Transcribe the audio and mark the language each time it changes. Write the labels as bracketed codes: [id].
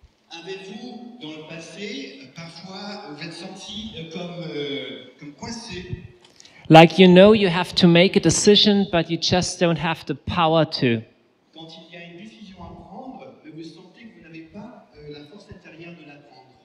[fr] Avez-vous dans le passé parfois vous êtes senti comme coincé? [en] Like you know you have to make a decision but you just don't have the power to. [fr] Quand il y a une décision à prendre, mais vous sentez que vous n'avez pas la force intérieure de la prendre.